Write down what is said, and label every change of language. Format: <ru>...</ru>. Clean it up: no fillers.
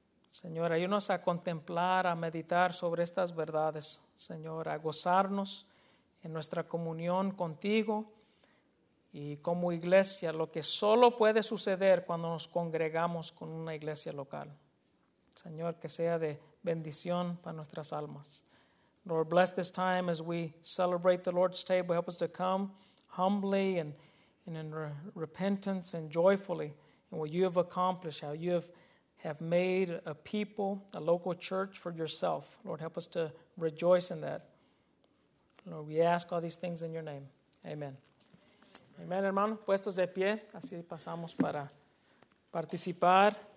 <es>Señor, ayúdanos a contemplar, a meditar sobre estas verdades, Señor, a gozarnos en nuestra comunión contigo y como iglesia, lo que solo puede suceder cuando nos congregamos con una iglesia local. Señor, que sea de bendición para nuestras almas.</es> <en>Lord, bless this time as we celebrate the Lord's table. Help us to come humbly and in repentance and joyfully in what you have accomplished, how you have made a people, a local church for yourself. Lord, help us to rejoice in that. Lord, we ask all these things in your name. Amen.</en> <es>Amen, hermano. Puestos de pie. Así pasamos para participar.</es>